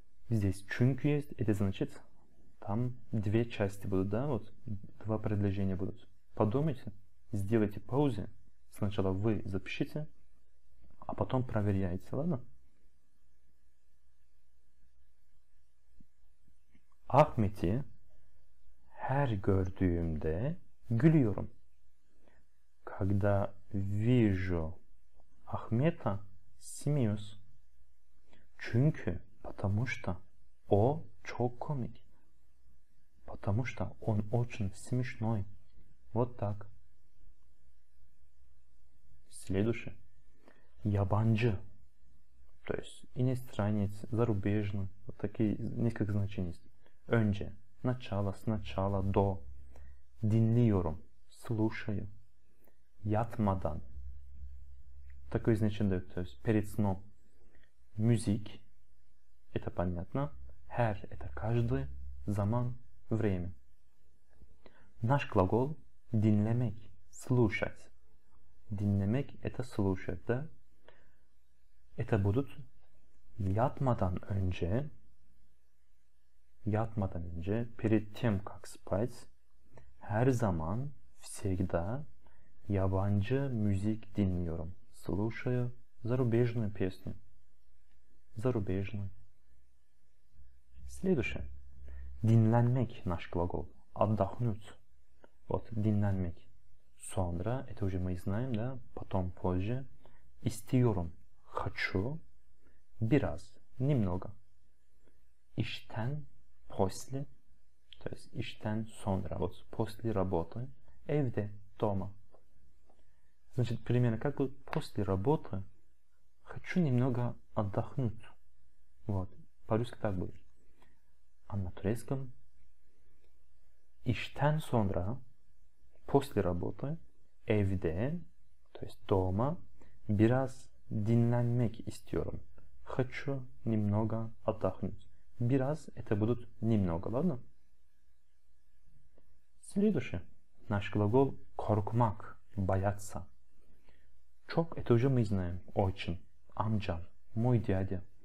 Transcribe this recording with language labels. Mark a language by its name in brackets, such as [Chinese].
[Russian] здесь çünkü есть, это значит, там две части будут, да, вот, два предложения будут. Подумайте, сделайте паузу. Сначала вы запишите, а потом проверяйте, ладно? [Turkish] Ахмети, her gördüğümde gülüyorum. [Russian] Когда вижу Ахмета, смеюсь. [Turkish] Çünkü, [Russian] потому что [Turkish] o çok komik. [Russian] Потому что он очень смешной. Вот так. Следующее. Ябанджи. То есть иностранец, зарубежный. Вот такие несколько значений есть. Önce. Начало, сначала, до. Dinliyorum. Слушаю. Yatmadan. Такое значение, то есть перед сном. Müzik. Это понятно. Her. Это каждый. Zaman. Время. Наш глагол. Dinlemek, слушать. Dinlemek это слушать, да? Это будут [Turkish] yatmadan önce, yatmadan önce, [Russian] перед тем как спать, [Turkish] her zaman, [Russian] всегда [Turkish] yabancı müzik dinliyorum. [Russian] Слушаю зарубежную песню. Зарубежную. Следующее. Dinlenmek наш глагол. Отдохнуть. Вот, dinlenmek. Sonra, это уже мы знаем, да? Потом, позже. İstiyorum. Хочу. Biraz. Немного. İşten. После. То есть, [Turkish] işten sonra. [Russian] Вот, после работы. Evde. Дома. Значит, примерно как после работы. Хочу немного отдохнуть. Вот. [Turkish] Paris kitap bu. Anlatırsam. İşten sonra [Russian] после работы [Turkish] evde [Russian] то есть дома [Turkish] biraz dinlenmek istiyorum. [Russian] Хочу немного отдохнуть. Biraz это будут немного, ладно? Следующее. Наш глагол korkmak, бояться. Çok это уже мы знаем. Очень. Amcam, мой дядя.